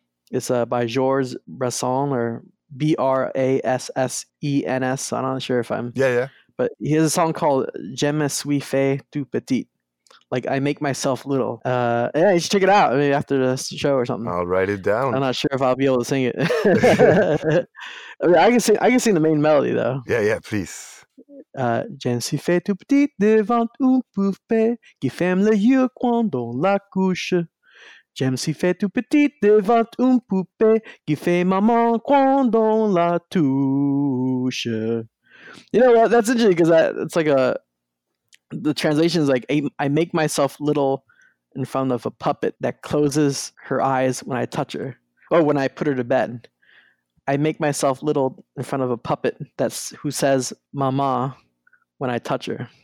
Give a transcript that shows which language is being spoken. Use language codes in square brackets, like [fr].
[en] It's by Georges Brassens, or Brassens. I'm not sure if I'm... Yeah, yeah. But he has a song called Je me suis fait tout petit. Like, I make myself little. Yeah, you should check it out. Maybe after the show or something. I'll write it down. I'm not sure if I'll be able to sing it. I mean, I can sing the main melody, though. Yeah, yeah, please. [fr] Je me suis fait tout petit devant un poupée qui ferme les yeux quand on la couche. Je me suis fait tout petit devant un poupée qui fait maman quand on la touche. [en] You know, that's interesting because it's like the translation is like, I make myself little in front of a puppet that closes her eyes when I touch her, or when I put her to bed. I make myself little in front of a puppet who says mama when I touch her.